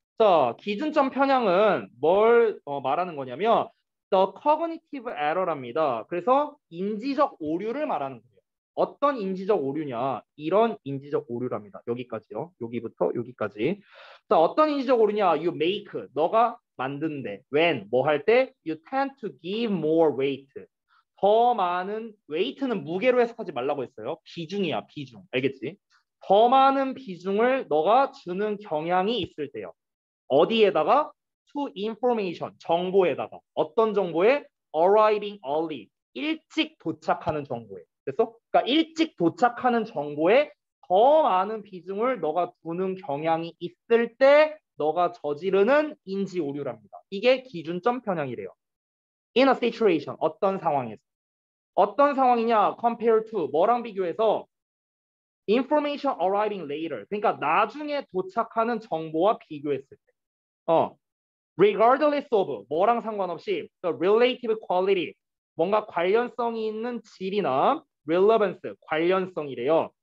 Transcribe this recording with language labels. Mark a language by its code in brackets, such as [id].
[ko] 자, 기준점 편향은 뭘 말하는 거냐면 [en] the cognitive error [ko] 랍니다. 그래서 인지적 오류를 말하는 거예요. 어떤 인지적 오류냐? 이런 인지적 오류랍니다. 여기까지요. 여기부터 여기까지. 자, 어떤 인지적 오류냐? [en] You make, [ko] 너가 만든데. When, 뭐 할 때? [en] You tend to give more weight. [ko] 더 많은 weight는 무게로 해석하지 말라고 했어요. 비중이야, 비중. 알겠지? 더 많은 비중을 너가 주는 경향이 있을 때요. 어디에다가? [en] To information, [ko] 정보에다가. 어떤 정보에? [en] Arriving early, [ko] 일찍 도착하는 정보에. 됐어? 그러니까 일찍 도착하는 정보에 더 많은 비중을 너가 두는 경향이 있을 때 너가 저지르는 인지 오류랍니다. 이게 기준점 편향이래요. [en] In a situation, [ko] 어떤 상황에서. 어떤 상황이냐, [en] compare to, [ko] 뭐랑 비교해서? [en] Information arriving later, [ko] 그러니까 나중에 도착하는 정보와 비교했을 때. [en] Regardless of, [ko] 뭐랑 상관없이, [en] the relative quality, [ko] 뭔가 관련성이 있는 질이나 relevance, 관련성이래요.